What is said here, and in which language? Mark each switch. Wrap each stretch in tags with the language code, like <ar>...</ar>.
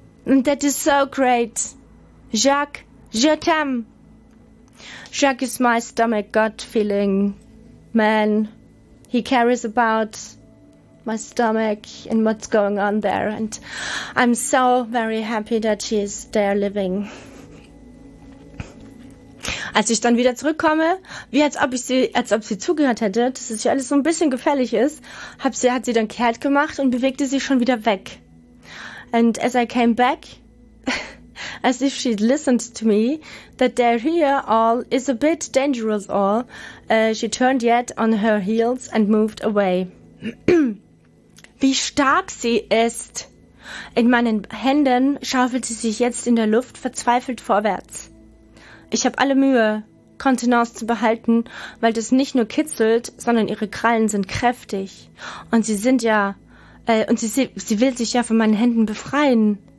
<en>And that is so great. Jacques,</en> <fr>je t'aime.</fr> <en>Jacques is my stomach gut feeling. Man, he carries about my stomach and what's going on there. And I'm so very happy that she is there living.</en> <de>Als ich dann wieder zurückkomme, wie als ob sie zugehört hätte, dass es ja alles so ein bisschen gefällig ist, hat sie dann kehrt gemacht und bewegte sich schon wieder weg.</de> <en>And as I came back, as if she'd listened to me, that there here all is a bit dangerous all, she turned yet on her heels and moved away.</en> <de>Wie stark sie ist! In meinen Händen schaufelte sie sich jetzt in der Luft verzweifelt vorwärts. Ich habe alle Mühe, Kontenance zu behalten, weil das nicht nur kitzelt, sondern ihre Krallen sind kräftig. Und sie sind ja, sie will sich ja von meinen Händen befreien.</de>